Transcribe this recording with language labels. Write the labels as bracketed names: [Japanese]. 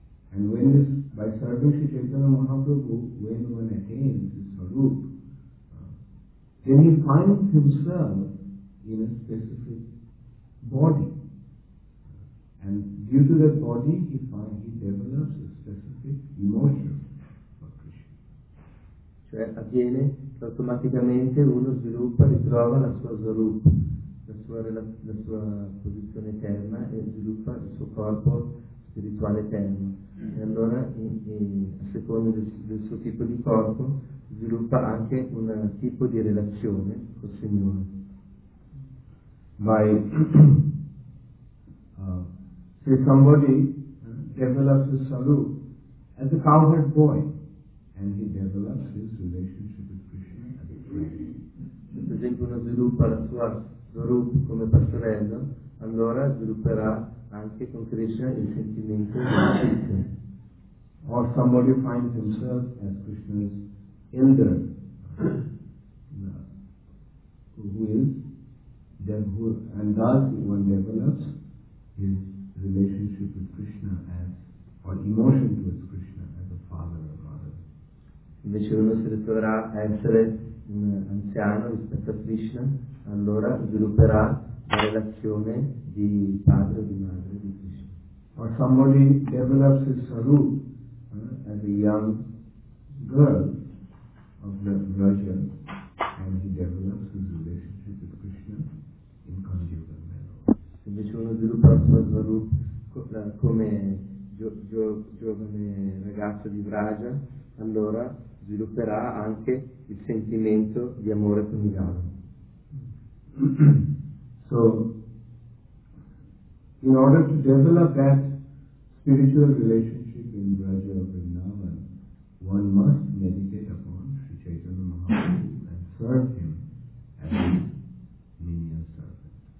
[English] And when this, by serving Sri Chaitanya Mahaprabhu, when one attains the Sarup, then he finds himself in a specific body. And due to that body, he develops a specific emotion for Krishna. [Italian] Cioè, avviene che automaticamente uno sviluppa, ritrova la sua Sarup. La sua posizione eterna e sviluppa il suo corpo spirituale eterno, e allora a seconda del suo tipo di corpo sviluppa anche un tipo di relazione col Signore. [English] By say somebody develops a salute as a cowherd boy And he develops his relationship with Krishna as a friend. [Italian] Se per esempio uno sviluppa la sua svarupa come pastorello, allora svilupperà anche con Krishna il sentimento di amicizia. [English] Or somebody finds himself as Krishna's elder, who is and thus one develops his relationship with Krishna as, or emotion towards Krishna as a father or mother. [Italian] Invece uno si ritroverà a essere un anziano rispetto a Krishna, allora svilupperà la relazione di padre o di madre di Krishna. [English] Or somebody develops his sarup as a young girl of the Raja, and he develops his relationship with Krishna in conjugal manner. [Italian] Invece uno sviluppa il suo sarup come giovane ragazzo di Raja, allora svilupperà anche il sentimento di amore per il Gauri. [English] So, in order to develop that spiritual relationship in Braja or Vrindavan, one must meditate upon Sri Chaitanya Mahaprabhu and serve him as a menial servant.